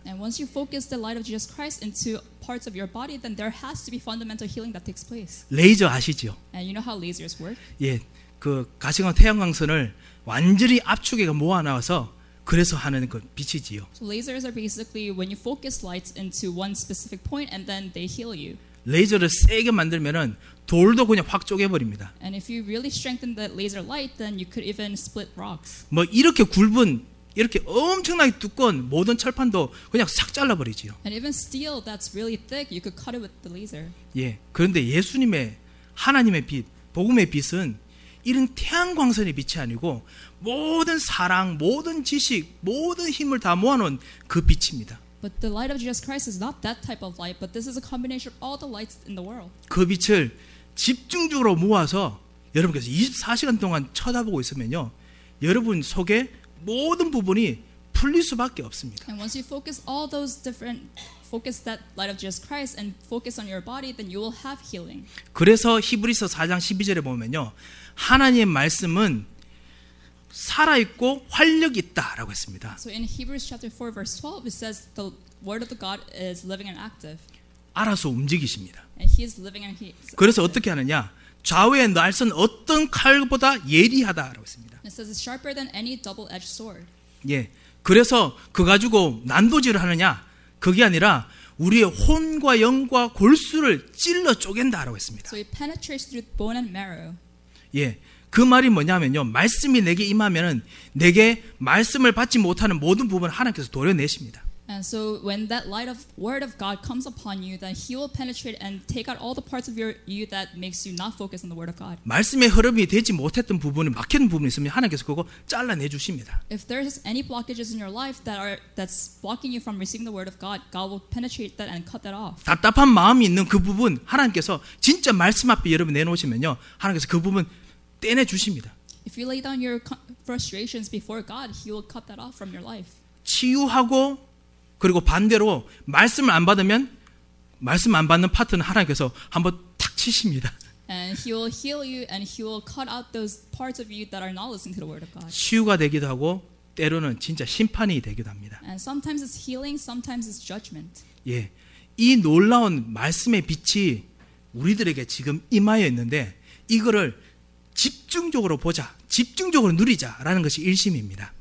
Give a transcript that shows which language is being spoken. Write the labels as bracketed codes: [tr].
[en] And once you focus the light of Jesus Christ into parts of your body, then there has to be fundamental healing that takes place. [ko] 레이저 아시죠? [en] And you know how lasers work? [ko] 예, 그 가시광 태양광선을 완전히 압축해서 모아 나와서 그래서 하는 그 빛이지요. [en] So lasers are basically when you focus lights into one specific point and then they heal you. [ko] 레이저를 세게 만들면은 돌도 그냥 확 쪼개 버립니다. [en] And if you really strengthen the laser light, then you could even split rocks. [ko] 뭐 이렇게 굵은 이렇게 엄청나게 두꺼운 모든 철판도 그냥 싹 잘라버리지요. [en] And even steel that's really thick, you could cut it with the laser. [ko] 예, 그런데 예수님의 하나님의 빛, 복음의 빛은 이런 태양광선의 빛이 아니고 모든 사랑, 모든 지식, 모든 힘을 다 모아놓은 그 빛입니다. [en] But the light of Jesus Christ is not that type of light, but this is a combination of all the lights in the world. [ko] 그 빛을 집중적으로 모아서 여러분께서 24시간 동안 쳐다보고 있으면요, 여러분 속에 모든 부분이 풀릴 수밖에 없습니다. [en] And once you focus all those different focus that light of Jesus Christ and focus on your body then you will have healing. [ko] 그래서 히브리서 4장 12절에 보면요. 하나님의 말씀은 살아 있고 활력 있다라고 했습니다. [en] So in Hebrews chapter 4 verse 12 it says the word of the God is living and active. [ko] 알아서 움직이십니다. [en] And he is living and he [ko] 그래서 어떻게 하느냐? 좌우의 날선 어떤 칼보다 예리하다라고 했습니다. [en] It says it's sharper than any double-edged sword. [ko] 예, 그래서 그 가지고 난도질을 하느냐? 그게 아니라 우리의 혼과 영과 골수를 찔러 쪼갠다라고 했습니다. [en] So it penetrates through bone and marrow. [ko] 예, 그 말이 뭐냐면요, 말씀이 내게 임하면은 내게 말씀을 받지 못하는 모든 부분을 하나님께서 도려내십니다. [en] And so when that light of word of God comes upon you, then He will penetrate and take out all the parts of you that makes you not focus on the word of God. [ko] 말씀의 흐름이 되지 못했던 부분이 막힌 부분이 있으면 하나님께서 그거 잘라내 주십니다. [en] If there is any blockages in your life that's blocking you from receiving the word of God, God will penetrate that and cut that off. [ko] 답답한 마음이 있는 그 부분 하나님께서 진짜 말씀 앞에 여러분 내놓으시면요, 하나님께서 그 부분 떼내 주십니다. [en] If you lay down your frustrations before God, He will cut that off from your life. [ko] 치유하고 그리고 반대로 말씀을 안 받으면 말씀 안 받는 파트는 하나님께서 한번 탁 치십니다. [en] And he will heal you and he will cut out those parts of you that are not listening to the word of God. [ko] 치유가 되기도 하고 때로는 진짜 심판이 되기도 합니다. [en] And sometimes it's healing, sometimes it's judgment. [ko] 예. 이 놀라운 말씀의 빛이 우리들에게 지금 임하여 있는데 이거를 집중적으로 보자. 집중적으로 누리자라는 것이 일심입니다.